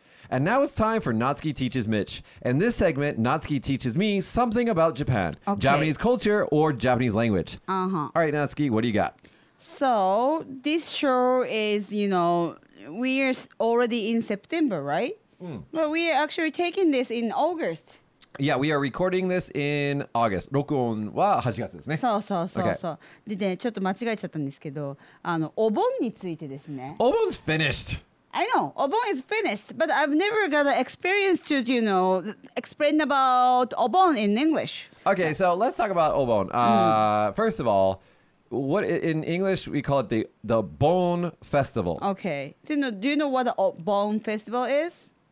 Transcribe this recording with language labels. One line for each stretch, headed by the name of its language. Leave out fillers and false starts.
English: And now it's time for Natsuki Teaches Mitch. In this segment, Natsuki teaches me something about Japan, Japanese culture, or Japanese language. Uh-huh. All right, Natsuki, what do you got? So this show is, you know, we're already in September, right? Mm. But we are actually taking this in August. Yeah, we are recording this in August.
Japanese: 録音は8月ですね。そう。でね、ちょっと間違えちゃったんですけど、お盆についてですね。
English: お盆's finished! I know, Obon is finished, but I've never got an experience to, you know, explain about Obon in English. Okay, so let's talk about Obon. First of all, what in English we call it the Obon Festival. Okay, do you know what the Obon Festival is?